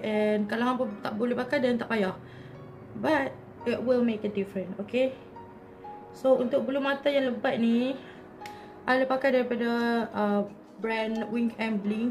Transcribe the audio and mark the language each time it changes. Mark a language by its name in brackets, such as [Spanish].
[Malay] And kalau hampa tak boleh pakai, then tak payah. [English] But it will make a difference. [Malay] Okay, so untuk bulu mata yang lebat ni, I pakai daripada brand Wink and Bling.